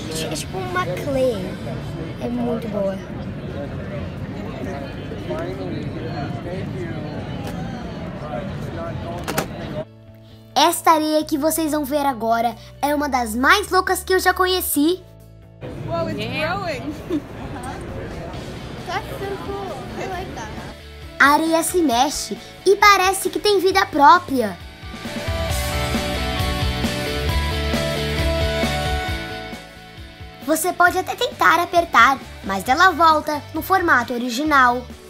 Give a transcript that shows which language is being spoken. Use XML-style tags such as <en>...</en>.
<pt>É tipo uma clay. É muito boa. Esta areia que vocês vão ver agora é uma das mais loucas que eu já conheci.</pt> <en>Wow, it's growing. That's so cool. I like that.</en> <pt>A areia se mexe e parece que tem vida própria. Você pode até tentar apertar, mas ela volta no formato original.</pt>